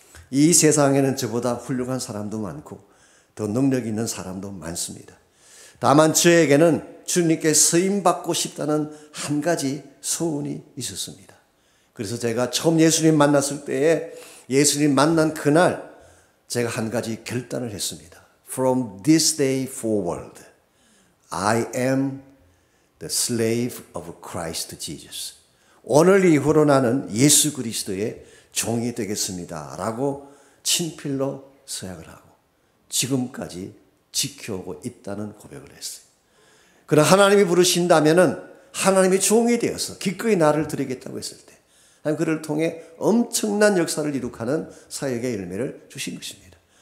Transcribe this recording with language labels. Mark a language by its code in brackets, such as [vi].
[ko] 이 세상에는 저보다 훌륭한 사람도 많고 더 능력 있는 사람도 많습니다. 다만 저에게는 주님께 쓰임받고 싶다는 한 가지 소원이 있었습니다. 그래서 제가 처음 예수님 만났을 때에 예수님 만난 그날 제가 한 가지 결단을 했습니다. [en] From this day forward, I am the slave of Christ Jesus. [ko] 오늘 이후로 나는 예수 그리스도의 종이 되겠습니다. 라고 친필로 서약을 하고 지금까지 지켜오고 있다는 고백을 했어요. 그러나 하나님이 부르신다면은 하나님의 종이 되어서 기꺼이 나를 드리겠다고 했을 때 하나님 그를 통해 엄청난 역사를 이룩하는 사역의 열매를 주신 것입니다.